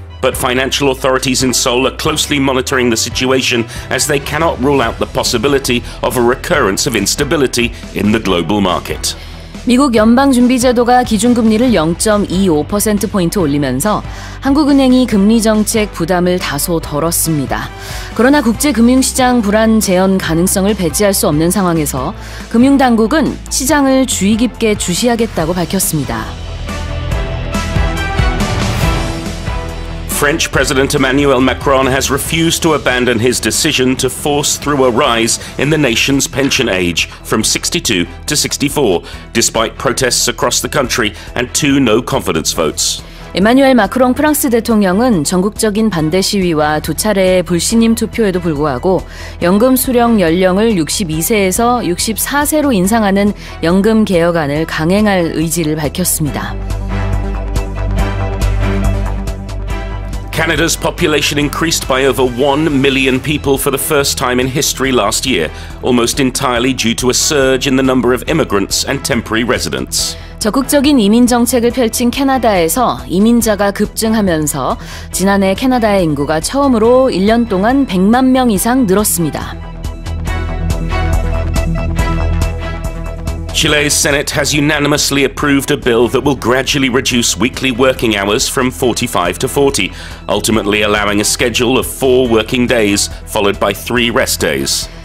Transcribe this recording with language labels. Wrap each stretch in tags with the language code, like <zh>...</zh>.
<en>But financial authorities in Seoul are closely monitoring the situation as they cannot rule out the possibility of a recurrence of instability in the global market.</en> <ko>미국 연방준비제도가 기준금리를 0.25%포인트 올리면서 한국은행이 금리 정책 부담을 다소 덜었습니다. 그러나 국제금융시장 불안 재현 가능성을 배제할 수 없는 상황에서 금융당국은 시장을 주의 깊게 주시하겠다고 밝혔습니다.</ko> <en>French President Emmanuel Macron has refused to abandon his decision to force through a rise in the nation's pension age from 62 to 64, despite protests across the country and two no-confidence votes.</en> <ko>에마뉴엘 마크롱 프랑스 대통령은 전국적인 반대 시위와 두 차례의 불신임 투표에도 불구하고 연금 수령 연령을 62세에서 64세로 인상하는 연금 개혁안을 강행할 의지를 밝혔습니다.</ko> <en>Canada's population increased by over 1 million people for the first time in history last year, almost entirely due to a surge in the number of immigrants and temporary residents.</en> <ko>적극적인 이민 정책을 펼친 캐나다에서 이민자가 급증하면서 지난해 캐나다의 인구가 처음으로 1년 동안 100만 명 이상 늘었습니다.</ko> <en>Chile's Senate has unanimously approved a bill that will gradually reduce weekly working hours from 45 to 40, ultimately allowing a schedule of four working days followed by three rest days.</en>